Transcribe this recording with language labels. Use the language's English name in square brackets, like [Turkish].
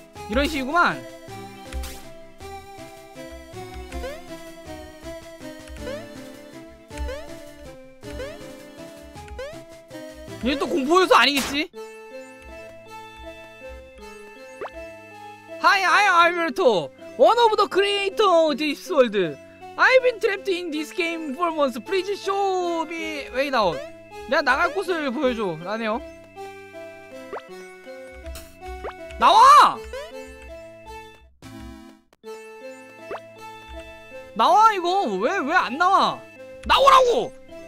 [Korean] 이런 식이구만. 얘 또 공포여서 아니겠지? [English] 하이, I am Naruto, one of the creator of this world. I've been trapped in this game for months. Please show me way out. [Korean] 내가 나갈 곳을 보여줘 라네요. 나와! 나와 이거 왜 안 나와? 나오라고!